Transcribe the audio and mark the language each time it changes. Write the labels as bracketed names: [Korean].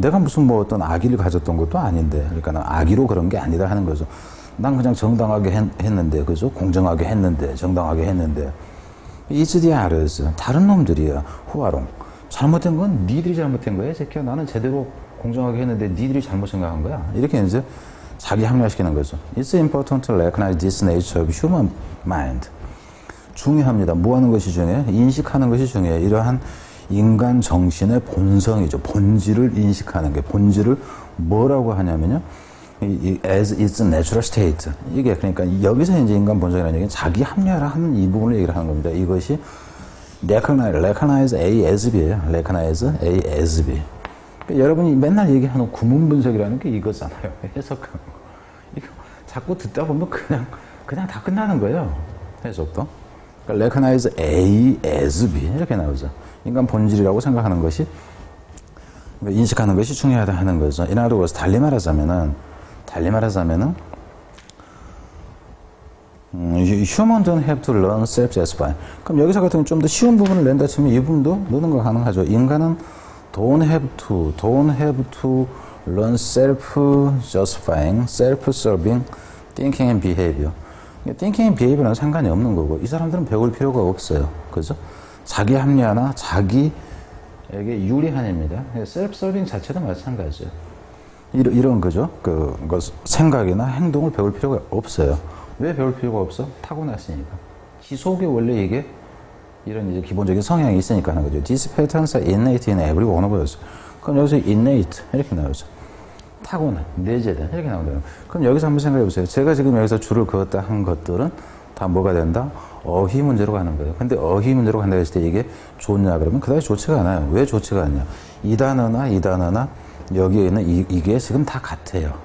[Korean] 내가 무슨 뭐 어떤 악의를 가졌던 것도 아닌데. 그러니까 난 악의로 그런 게 아니다 하는 거죠. 난 그냥 정당하게 했는데, 그죠? 공정하게 했는데, 정당하게 했는데. [English] It's the others. [Korean] 다른 놈들이야. 후아롱. 잘못된 건 니들이 잘못된 거야. 새끼야. 나는 제대로 공정하게 했는데 니들이 잘못 생각한 거야. 이렇게 이제 자기 합리화시키는 거죠. [English] It's important to recognize this nature of human mind. [Korean] 중요합니다. 뭐 하는 것이 중요해? 인식하는 것이 중요해. 이러한 인간 정신의 본성이죠. 본질을 인식하는 게. 본질을 뭐라고 하냐면요. [English] As its natural state. [Korean] 이게 그러니까 여기서 이제 인간 본성이라는 얘기는 자기 합리화를 하는 이 부분을 얘기를 하는 겁니다. 이것이 [English] recognize A as B [Korean] 예요. [English] Recognize A as B. [Korean] 그러니까 여러분이 맨날 얘기하는 구문 분석이라는 게 이거잖아요. 해석하는 거. 이거 자꾸 듣다 보면 그냥 다 끝나는 거예요. 해석도. 그러니까 [English] recognize A as B. [Korean] 이렇게 나오죠. 인간 본질이라고 생각하는 것이 인식하는 것이 중요하다 하는 거죠. [English] In other words, [Korean] 달리 말하자면은 [English] human don't have to learn self-justifying. [Korean] 그럼 여기서 같은 좀 더 쉬운 부분을 낸다 치면 이 부분도 넣는 거 가능하죠. 인간은 [English] don't have to learn self-justifying, self-serving thinking and behavior. Thinking and behavior [Korean] 는 상관이 없는 거고 이 사람들은 배울 필요가 없어요. 그죠? 자기 합리화나 자기에게 유리한 입니다. 셀프서빙 자체도 마찬가지예요. 이런 거죠. 그 생각이나 행동을 배울 필요가 없어요. 왜 배울 필요가 없어? 타고났으니까. 기속에 원래 이게 이런 이제 기본적인 성향이 있으니까 하는 거죠. [English] These patterns are innate in every one of us. [Korean] 그럼 여기서 innate 이렇게 나오죠. 타고난, 내재된 이렇게 나오죠. 그럼 여기서 한번 생각해 보세요. 제가 지금 여기서 줄을 그었다 한 것들은 다 뭐가 된다? 어휘 문제로 가는 거예요. 근데 어휘 문제로 간다 했을 때 이게 좋냐 그러면 그다지 좋지가 않아요. 왜 좋지가 않냐? 이 단어나 여기에 있는 이게 지금 다 같아요.